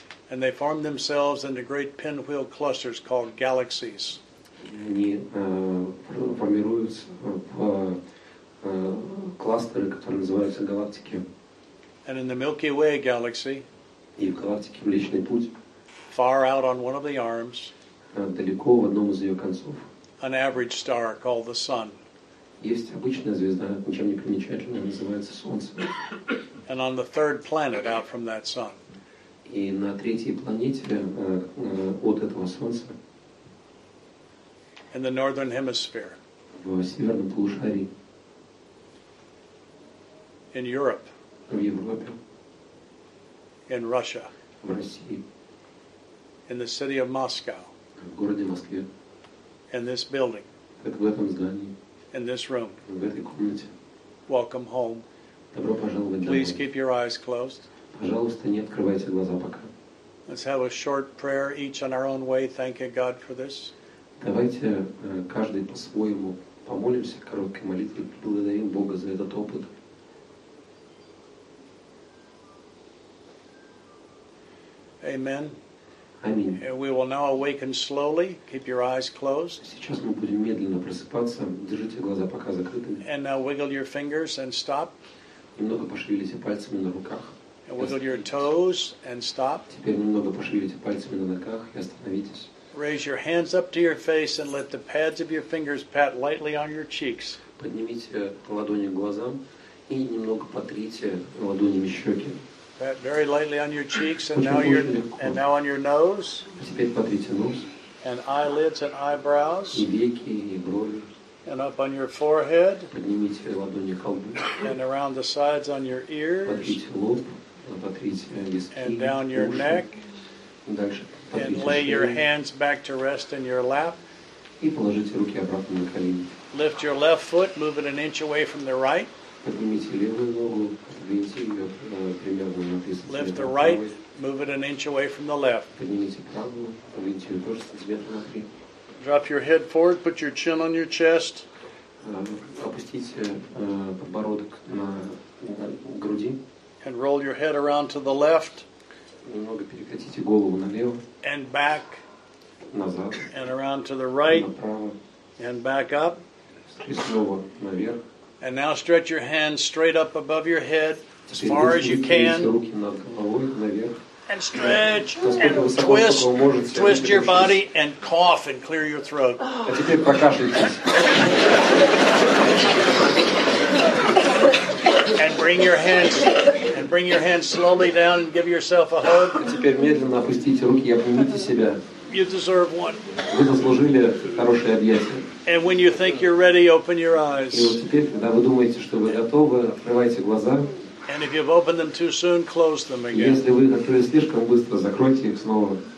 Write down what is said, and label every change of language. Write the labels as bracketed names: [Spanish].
[English] And they form themselves into great pinwheel clusters called galaxies. [Russian] Они формируются в кластеры, которые называются галактики. [English] And in the Milky Way galaxy. [Russian] И в галактике Млечный Путь. [English] Far out on one of the arms. [Russian] Далеко в одном из ее концов. [English] An average star called the Sun. [Russian] Есть обычная звезда, ничем не примечательная, называется Солнце. [English] And on the third planet out from that Sun. [Russian] И на третьей планете от этого Солнца. [English] In the northern hemisphere. [Russian] В северном полушарии. [English] In Europe. [Russian] В Европе. [English] In Russia. [Russian] В России. [English] In the city of Moscow. [Russian] В городе Москве. [English] In this building. [Russian] Так в этом здании. [English] In this room. [Russian] В этой комнате. [English] Welcome home. [Russian] Добро пожаловать домой. [English] Please keep your eyes closed. [Russian] Пожалуйста, не открывайте глаза пока. [English] Let's have a short prayer each on our own way, thanking God for this. [Russian] Давайте каждый по-своему помолимся короткой молитвой, благодарим Бога за этот опыт. [English] Amen. [Russian] Аминь. [English] And we will now awaken slowly. Keep your eyes closed. [Russian] Сейчас мы будем медленно просыпаться. Держите глаза пока закрытыми. [English] And now wiggle your fingers and stop. [Russian] Немного пошевелите пальцами на руках. [English] And wiggle your toes and stop. [Russian] Теперь немного пошевелите пальцами на ногах и остановитесь. [English] Raise your hands up to your face and let the pads of your fingers pat lightly on your cheeks. [Russian] Поднимите ладони к глазам и немного потрите ладонями щеки. [English] Pat very lightly on your cheeks and now your and now on your nose. [Russian] Теперь потрите нос. [English] And eyelids and eyebrows. [Russian] И веки, и брови. [English] And up on your forehead. [Russian] Поднимите ладони к лбу. [English] And around the sides on your ears. [Russian] Потрите лоб, потрите виски. [English] And down your neck. [Russian] Дальше. [English] And lay your hands back to rest in your lap. [Russian] И положите руки обратно на колени. [English] Lift your left foot, move it an inch away from the right. [Russian] Поднимите левую ногу, сдвиньте ее примерно на 3 см. [English] Lift the right, move it an inch away from the left. [Russian] Поднимите правую, сдвиньте ее тоже сантиметр на 3. [English] Drop your head forward, put your chin on your chest. [Russian] Опустите подбородок на груди. [English] And roll your head around to the left. [Russian] Немного перекатите голову налево. [English] And back. [Russian] Назад. [English] And around to the right. [Russian] Направо. [English] And back up. [Russian] И снова наверх. [English] And now stretch your hands straight up above your head as far as you can. [Russian] Руки над головой, наверх. [English] And stretch and twist, twist your body and cough and clear your throat. [Russian] А теперь покашляйтесь. [English] And bring your hands. Bring your hands slowly down and give yourself a hug. [Russian] Теперь медленно опустите руки и обнимите себя. [English] You deserve one. [Russian] Вы заслужили хорошее объятие. [English] And when you think you're ready, open your eyes. [Russian] И вот теперь, когда вы думаете, что вы готовы, открывайте глаза. [English] And if you've opened them too soon, close them again. [Russian] Если вы открыли слишком быстро, закройте их снова.